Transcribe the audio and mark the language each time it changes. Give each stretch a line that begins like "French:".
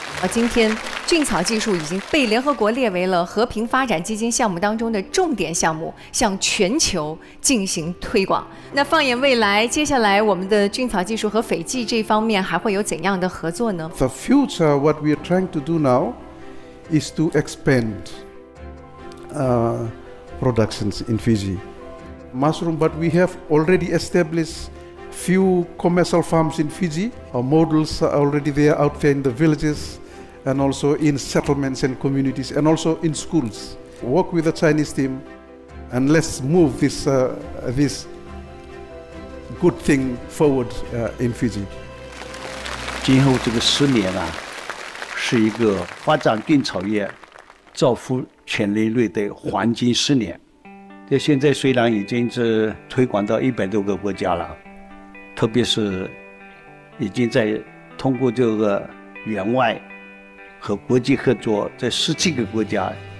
Chinese: 今天菌草技术已经被联合国列为了和平发展基金项目当中的重点项目，向全球进行推广。那放眼未来，接下来我们的菌草技术和斐济这方面还会有怎样的合作呢？
English: The future, what we are trying to do now is to expand productions in Fiji. Mushroom, but we have already established few commercial farms in Fiji. Our models are already there out there in the villages. And also in settlements and communities, and also in schools. Work with the Chinese team, and let's move this good thing forward in Fiji.
Chinese: 今后这个10年啊，是一个发展菌草业、造福全人类的黄金10年。这现在虽然已经是推广到100多个国家了，特别是已经在通过这个援外。和国际合作，在17个国家